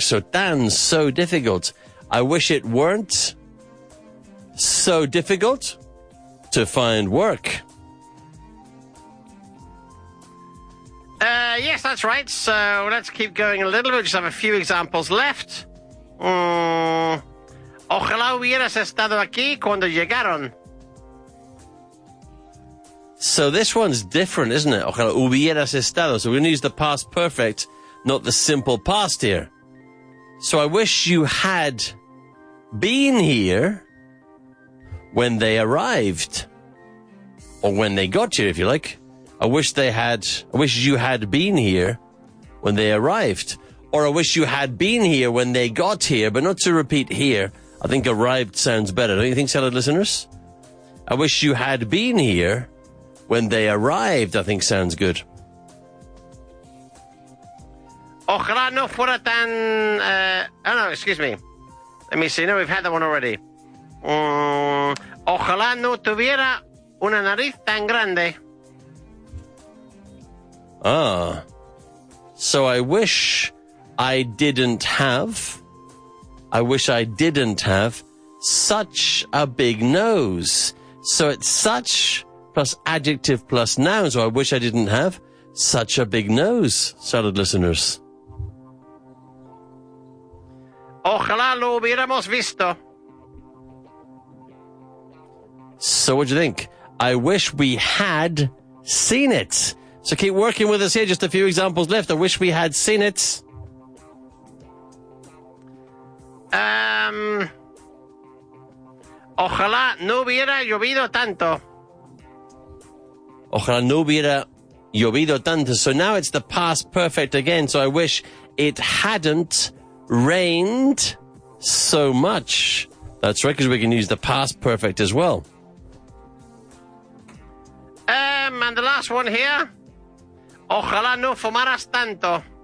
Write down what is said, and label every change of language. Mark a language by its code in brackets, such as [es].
[en] So tan, so difficult. I wish it weren't so difficult to find work. Yes, that's right. So let's keep going a little bit. We just have a few examples left. [es] Ojalá hubieras estado aquí cuando llegaron. [en] So this one's different, isn't it? [es] Ojalá hubieras estado. [en] So we're going to use the past perfect, not the simple past here. So I wish you had been here when they arrived. Or when they got here, if you like. I wish you had been here when they arrived. Or I wish you had been here when they got here. But not to repeat here. I think arrived sounds better. Don't you think, salad listeners? I wish you had been here when they arrived, I think sounds good. [es] Ojalá no fuera tan... [en] oh, no, excuse me. Let me see. No, we've had that one already. [es] Ojalá no tuviera una nariz tan grande. [en] Ah. So I wish I didn't have... I wish I didn't have such a big nose. So it's such... plus adjective plus noun. So I wish I didn't have such a big nose, salad listeners. [es] Ojalá lo hubiéramos visto. [en] So what do you think? I wish we had seen it. So keep working with us here. Just a few examples left. I wish we had seen it. [es] Ojalá no hubiera llovido tanto. Ojalá no hubiera llovido tanto. [en] So now it's the past perfect again. So I wish it hadn't rained so much. That's right, because we can use the past perfect as well. And the last one here. [es] Ojalá no fumaras tanto.